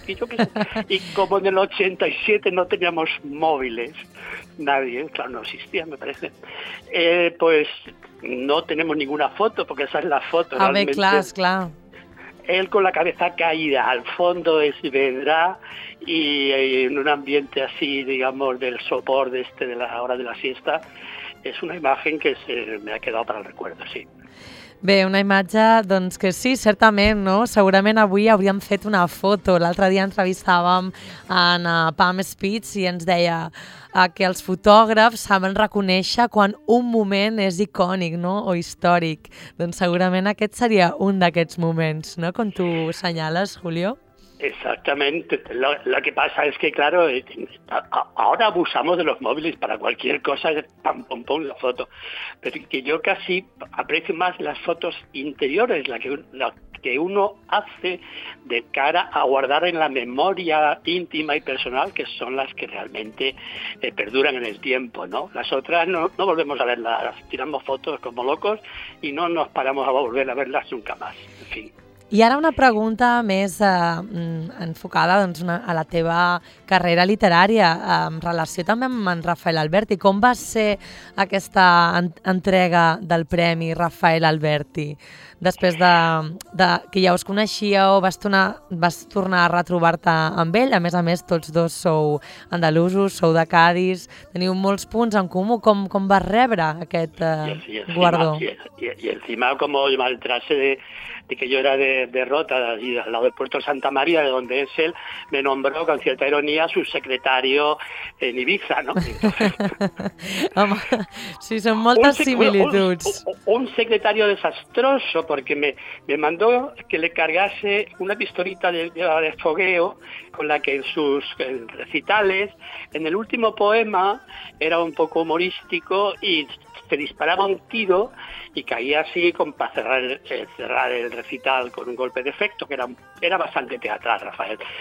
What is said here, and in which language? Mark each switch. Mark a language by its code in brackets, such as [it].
[es] Y como en el 87 no teníamos móviles, nadie, claro, no existía, me parece, pues no tenemos ninguna foto, porque esa es la foto. A ver, claro. él con la cabeza caída al fondo de Saavedra y en un ambiente así, digamos, del sopor de este de la hora de la siesta, es una imagen que se me ha quedado para el recuerdo, sí. [ca] Bé, una imatge doncs que sí, certament, no? Segurament avui hauríem fet una foto. L'altre dia entrevistàvem en Pam Spitz i ens deia que els fotògrafs saben reconèixer quan un moment és icònic, no? O històric. Doncs segurament aquest seria un d'aquests moments, no? Com tu assenyales, Julio. [es] Exactamente. Lo que pasa es que, claro, ahora abusamos de los móviles para cualquier cosa, pam, pam, pam, la foto. Pero que yo casi aprecio más las fotos interiores, la que uno hace de cara a guardar en la memoria íntima y personal, que son las que realmente perduran en el tiempo, ¿no? Las otras no volvemos a verlas, tiramos fotos como locos y no nos paramos a volver a verlas nunca más, en fin. [ca] I ara una pregunta més enfocada doncs, a la teva carrera literària, en relació també amb en Rafael Alberti. Com va ser aquesta entrega del Premi Rafael Alberti? Després de que ja us coneixíeu, vas tornar a retrobar-te amb ell? A més, tots dos sou andalusos, sou de Cádiz, teniu molts punts en comú. Com vas rebre aquest guardó? [es] I encima, com el maltrase de que yo era de Rota, y al lado de Puerto Santa María, de donde es él, me nombró con cierta ironía su secretario en Ibiza, ¿no? [ca] Home, sí, son moltes similituds. [es] Un secretario desastroso, porque me mandó que le cargase una pistolita de fogueo con la que en sus recitales, en el último poema, era un poco humorístico y se disparaba un tiro y caía así para cerrar el recital con un golpe de efecto, que era bastante teatral, Rafael.